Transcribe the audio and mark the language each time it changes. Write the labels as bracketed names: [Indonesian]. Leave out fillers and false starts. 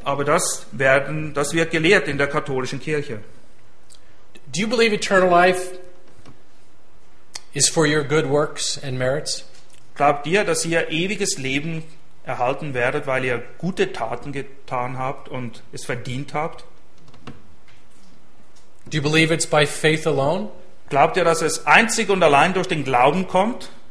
[German] Aber das wird gelehrt in der katholischen Kirche. [English] Do you believe eternal life is for your good works and merits? [German] Glaubt ihr, dass ihr ewiges Leben erhalten werdet, weil ihr gute Taten getan habt und es verdient habt? [English] Do you believe it's by faith alone? [German] Glaubt ihr, dass es einzig und allein durch den Glauben kommt?